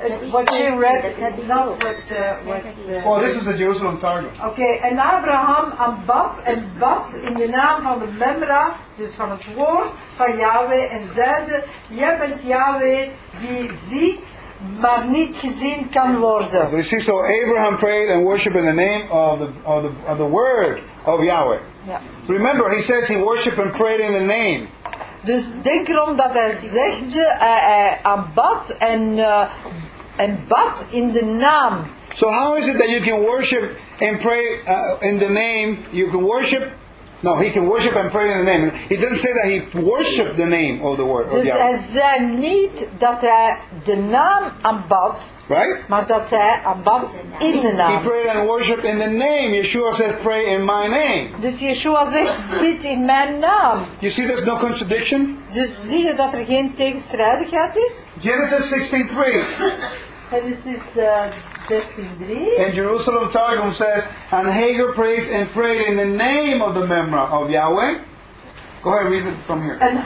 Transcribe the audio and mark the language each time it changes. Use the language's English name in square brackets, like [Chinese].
[English] What you read is not what... Oh, this is a Jerusalem Targum. Okay, and Abraham bad in the name of the Memra, [Dutch] dus van het woord van Yahweh, en zeide, jij bent Yahweh die ziet, maar niet gezien kan worden. [English] So you see, so Abraham prayed and worshiped in the name of the word of Yahweh. Yeah. Remember, he says he worshiped and prayed in the name. [Dutch] Dus denk erom dat hij zegt, hij aanbad en bad in de naam. [English] So how is it that you can worship and pray in the name? You can worship, no, he can worship and pray in the name. He doesn't say that he worshiped the name of the word. [Dutch] Dus hij zei niet dat hij de naam aanbad, [English] right? [Dutch] Maar dat hij aanbad in de naam. [English] He prayed and worshiped in the name. Yeshua says, pray in my name. [Dutch] Dus Yeshua zegt, bid in mijn naam. [English] You see there's no contradiction? [Dutch] Dus zie je dat er geen tegenstrijdigheid is? [English] Genesis 16:3. Genesis 16:3. And Jerusalem Targum says, and Hagar prays and prayed in the name of the Memra of Yahweh. Go ahead, read it from here.